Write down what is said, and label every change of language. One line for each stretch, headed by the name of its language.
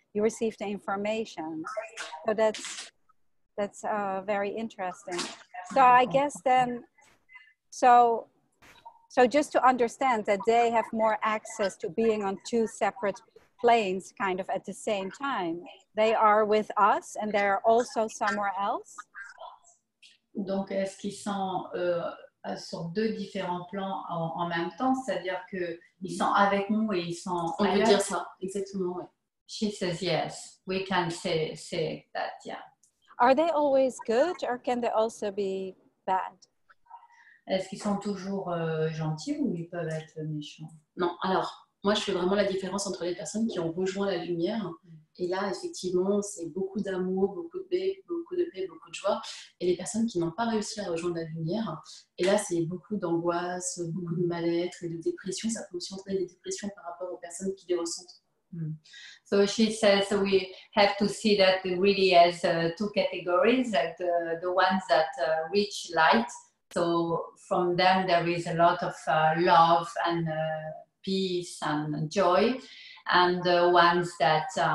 English: You receive the information. So that's very interesting. So I guess then, so just to understand that they have more access to being on two separate planes kind of at the same time. They are with us and they're also somewhere else.
French: Donc, est-ce qu'ils sont sur deux différents plans en même temps? C'est-à-dire qu'ils sont avec nous et ils sont... On peut dire ça, exactement, oui.
English: She says yes, we can say that, yeah. Are they always good or can they also be bad?
French: Est-ce qu'ils sont toujours gentils ou ils peuvent être méchants? Non, alors, moi je fais vraiment la différence entre les personnes qui ont rejoint la lumière. Et là, effectivement, c'est beaucoup d'amour, beaucoup de paix, beaucoup de joie. Et les personnes qui n'ont pas réussi à rejoindre la lumière, et là, c'est beaucoup d'angoisse, beaucoup de mal-être et de dépression. Ça peut aussi entraîner des dépressions par rapport aux personnes qui les ressentent. Mm.
English: So she says we have to see that really as two categories, that the ones that reach light. So from them, there is a lot of love and peace and joy. And the ones that